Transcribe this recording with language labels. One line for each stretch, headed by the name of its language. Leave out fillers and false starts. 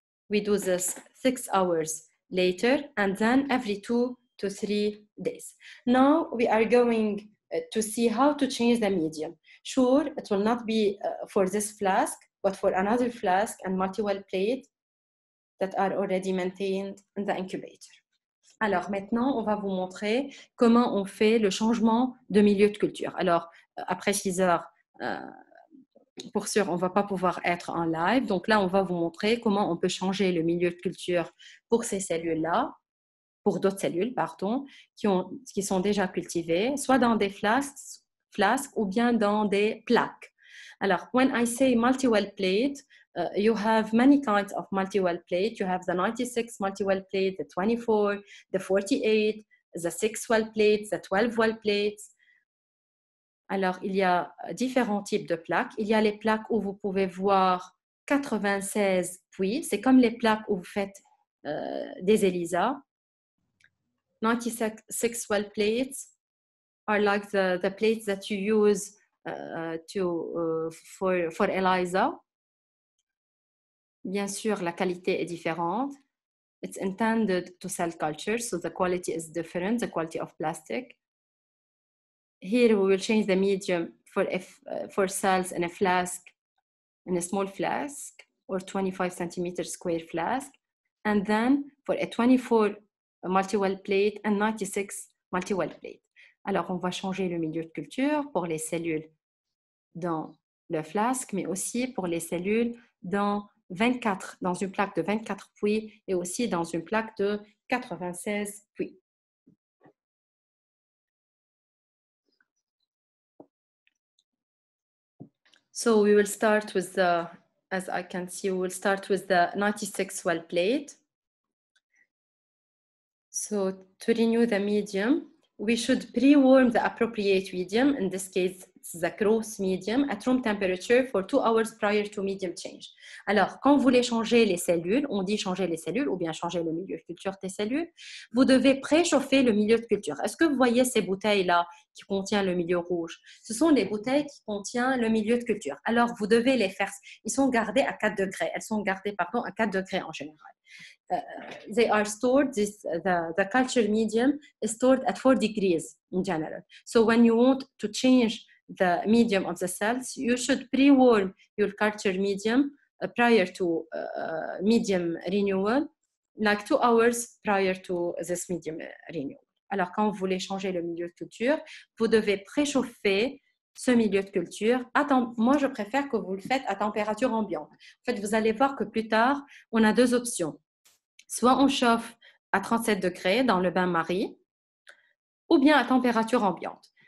English: We do this 6 hours later and then every 2 to 3 days. Now we are going to see how to change the medium. Sure, it will not be for this flask, but for another flask and multi-well plate that are already maintained in the incubator.
French: Alors maintenant, on va vous montrer comment on fait le changement de milieu de culture. Alors après 6 heures, pour sûr, on ne va pas pouvoir être en live. Donc là, on va vous montrer comment on peut changer le milieu de culture pour ces cellules-là, pour d'autres cellules, pardon, qui sont déjà cultivées, soit dans des flasques ou bien dans des plaques.
English: Alors, when I say multi-well plate, you have many kinds of multi-well plate. You have the 96 multi-well plate, the 24, the 48, the 6 well plates, the 12 well plates.
French: Alors, il y a différents types de plaques. Il y a les plaques où vous pouvez voir 96 puits. C'est comme les plaques où vous faites des ELISA.
English: 96 well plates are like the plates that you use for ELISA.
French: Bien sûr, la qualité est différente.
English: It's intended to cell culture, so the quality is different, the quality of plastic. Here we will change the medium for cells in a flask, in a small flask or 25 centimeter square flask, and then for a 24 multi-well plate and 96 multi-well plate.
French: Alors on va changer le milieu de culture pour les cellules dans le flasque, mais aussi pour les cellules dans une plaque de 24 puits et aussi dans une plaque de 96 puits.
English: So we will start with the, as I can see, we will start with the 96 well plate. So to renew the medium, we should pre-warm the appropriate medium, in this case, the gross medium, at room temperature for 2 hours prior to medium change.
French: Alors, quand vous voulez changer les cellules, on dit changer les cellules ou bien changer le milieu de culture des cellules, vous devez préchauffer le milieu de culture. Est-ce que vous voyez ces bouteilles-là qui contiennent le milieu rouge? Ce sont les bouteilles qui contiennent le milieu de culture. Alors, vous devez les faire. Ils sont gardés à 4 degrés. Elles sont gardées, pardon, à 4 degrés en général.
English: They are stored, the culture medium is stored at 4 degrees in general. So when you want to change the medium of the cells, you should pre-warm your culture medium prior to medium renewal, like 2 hours prior to this medium renewal.
French: Alors quand vous voulez changer le milieu de culture, vous devez préchauffer ce milieu de culture. Moi, je préfère que vous le faites à température ambiante. En fait, vous allez voir que plus tard, on a deux options. Soit on chauffe à 37 degrés dans le bain-marie, ou bien à température ambiante.